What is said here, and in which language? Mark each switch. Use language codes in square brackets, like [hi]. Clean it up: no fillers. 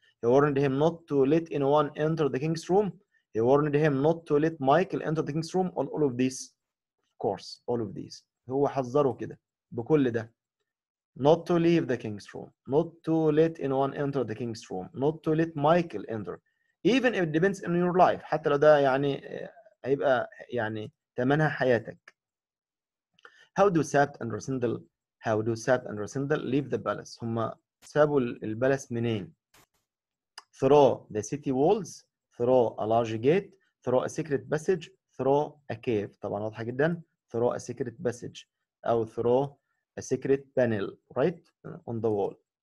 [en] He warned him not to let anyone enter the king's room. He warned him not to let Michael enter the king's room. All of these. Of course. All of these. [ar] هو حذره كده بكل ده. [en] Not to leave the king's room. Not to let anyone enter the king's room. Not to let Michael enter. Even if it depends on your life. [ar] حتى لو ده يعني هيبقى يعني تمنها حياتك. [en] How do Sapt and Rassendyll leave the palace? [ar] هما سابوا البلس منين؟ [en] Through the city walls. Through a large gate. Through a secret passage. Through a cave. [ar] طبعا واضحة جدا. [en] Through a secret passage. أو through a secret panel. Right? On the wall.